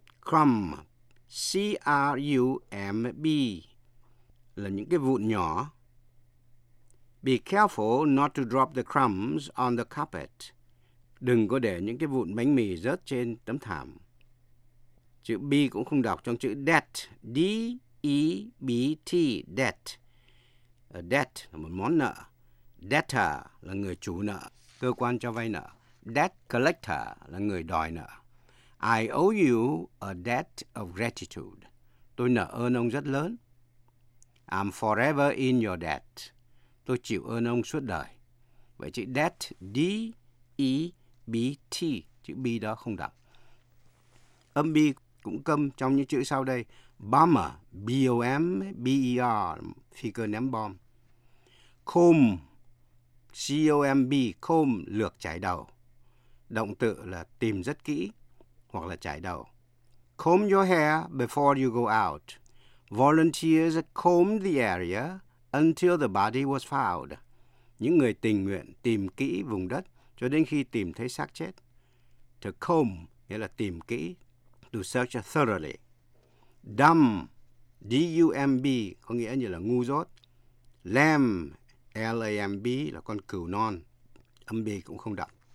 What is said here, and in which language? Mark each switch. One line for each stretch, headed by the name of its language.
Vietnamese: Crumb, C-R-U-M-B, là những cái vụn nhỏ.
English: Be careful not to drop the crumbs on the carpet.
Vietnamese: Đừng có để những cái vụn bánh mì rớt trên tấm thảm. Chữ B cũng không đọc trong chữ debt. D-E-B-T, debt. A debt là một món nợ. Debtor là người chủ nợ, cơ quan cho vay nợ. Debt collector là người đòi nợ.
English: I owe you a debt of gratitude.
Vietnamese: Tôi nợ ơn ông rất lớn.
English: I'm forever in your debt.
Vietnamese: Tôi chịu ơn ông suốt đời. Vậy chữ debt, D-E-B-T, chữ B đó không đọc. Âm B cũng câm trong những chữ sau đây. Bomber, B-O-M-B-E-R, phi cơ ném bom. Comb, C-O-M-B, comb, lược chải đầu. Động từ là tìm rất kỹ hoặc là chải đầu.
English: Comb your hair before you go out. Volunteers combed the area until the body was found.
Vietnamese: Những người tình nguyện tìm kỹ vùng đất cho đến khi tìm thấy xác chết.
English: To comb
Vietnamese: nghĩa là tìm kỹ.
English: To search thoroughly.
Vietnamese: Dumb, D-U-M-B, có nghĩa như là ngu dốt. Lamb, L-A-M-B, là con cừu non. Âm B cũng không đọc.